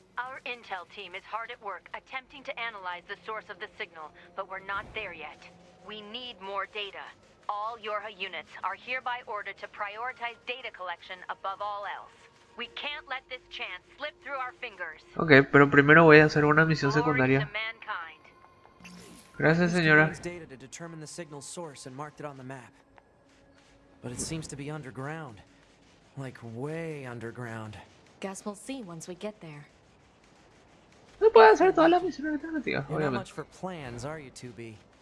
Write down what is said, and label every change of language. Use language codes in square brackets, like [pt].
[en] Our intel team is hard at work attempting to analyze the source of the signal, but we're not there yet. We need more data. All Yorha units are hereby ordered to prioritize data collection above all else. We can't let this chance slip through our fingers. [es] Okay, pero primero voy a hacer una misión secundaria. Gracias, señora. [en] We need data to determine the signal source and marked it on the map. But it seems to be underground. Like way underground. Guess we'll see once we get there. [es] No puedo hacer todas las misiones alternativas, obviamente. [en] You're not much for plans, are you, 2B?